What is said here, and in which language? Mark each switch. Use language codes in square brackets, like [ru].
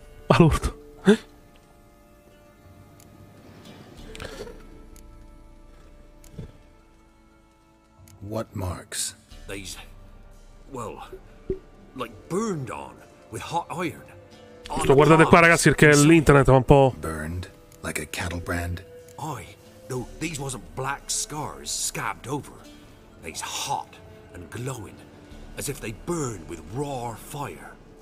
[en] Malurto. What marks? These, well, like burned on with hot iron. [it] Guardate qua ragazzi, perché l'internet va un po'. [en] Burned like a cattle brand. Aye, though these wasn't black scars scabbed over. They's hot and glowing, as if they burn with raw fire.